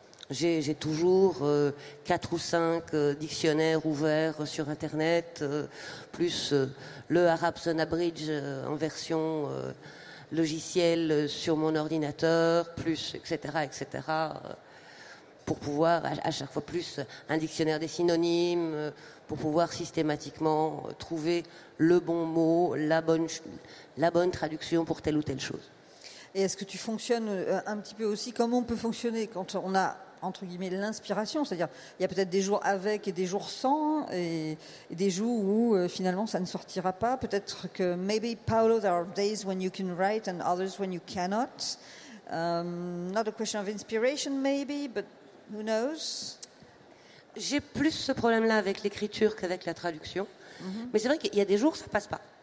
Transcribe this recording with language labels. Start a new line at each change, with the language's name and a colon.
French: J'ai toujours 4 ou 5 dictionnaires ouverts sur Internet, plus le Arab Unabridged en version logicielle sur mon ordinateur, plus etc., etc., pour pouvoir à chaque fois plus un dictionnaire des synonymes, pour pouvoir systématiquement trouver le bon mot, la bonne traduction pour telle ou telle chose. Et est-ce que tu fonctionnes un petit peu aussi comme on peut fonctionner quand on a, entre guillemets, l'inspiration, c'est-à-dire il y a peut-être des jours avec et des jours sans, et des jours où finalement ça ne sortira pas. Peut-être que
English: maybe Paolo, there are days when you can write and others when you cannot. Not a question of inspiration, maybe, but who knows?
French: J'ai plus ce problème-là avec l'écriture qu'avec la traduction, mais c'est vrai qu'il y a des jours ça passe pas.